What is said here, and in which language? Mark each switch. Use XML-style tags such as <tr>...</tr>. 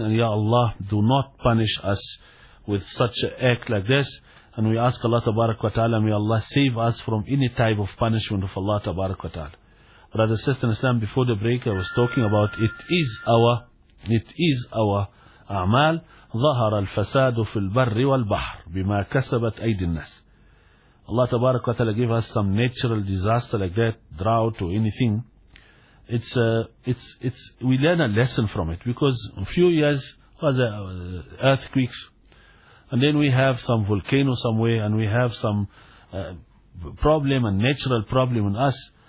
<en>And ya Allah, do not punish us with such an act like this. And we ask Allah tabarak wa ta'ala, may Allah save us from any type of punishment of Allah tabarak wa ta'ala. Brother, sister in Islam, before the break I was talking about, it is our a'mal.</en> <ar>ظهر الفساد في البر والبحر بما كسبت أيدي الناس.</ar> <en>Allah tabarak wa ta'ala gave us some natural disaster like that, drought or anything. It's we learn a lesson from it, because a few years was earthquakes, and then we have some volcano somewhere, and we have some problem, a natural problem in us.</en>